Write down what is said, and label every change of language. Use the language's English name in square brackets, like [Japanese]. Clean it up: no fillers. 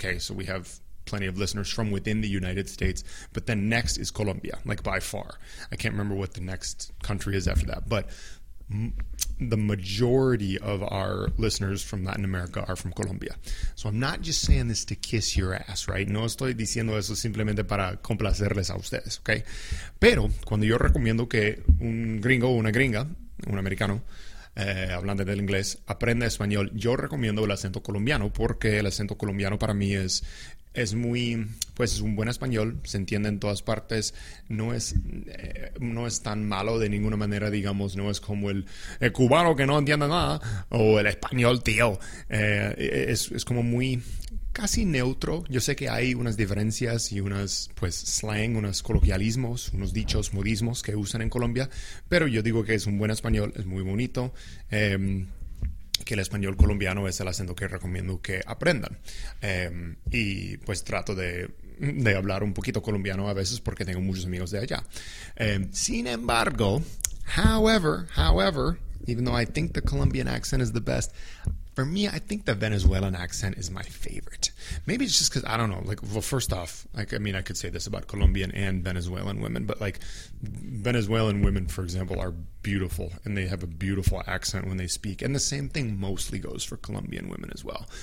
[English] Okay, so we have plenty of listeners from within the United States, but then next is Colombia, like by far. I can't remember what the next country is after that, but the majority of our listeners from Latin America are from Colombia. So I'm not just saying this to kiss your ass, right? [Spanish] No estoy diciendo eso simplemente para complacerles a ustedes, okay? Pero cuando yo recomiendo que un gringo o una gringa, un americano, hablando del inglés, aprenda español, yo recomiendo el acento colombiano porque el acento colombiano para mí es muy, pues es un buen español, se entiende en todas partes, no es tan malo de ninguna manera, digamos, no es como el cubano que no entiende nada, o el español, tío, es como muy casi neutro. Yo sé que hay unas diferencias y unas, pues, slang, unos coloquialismos, unos dichos, modismos que usan en Colombia, pero yo digo que es un buen español, es muy bonito, que el español colombiano es el acento que recomiendo que aprendan. Y pues trato de hablar un poquito colombiano a veces porque tengo muchos amigos de allá. Sin embargo, [English] however, even though I think the Colombian accent is the best, for me, I think the Venezuelan accent is my favorite. Maybe it's just because, I don't know, like, well, first off, like, I mean, I could say this about Colombian and Venezuelan women, but like, Venezuelan women, for example, are beautiful, and they have a beautiful accent when they speak, and the same thing mostly goes for Colombian women as well.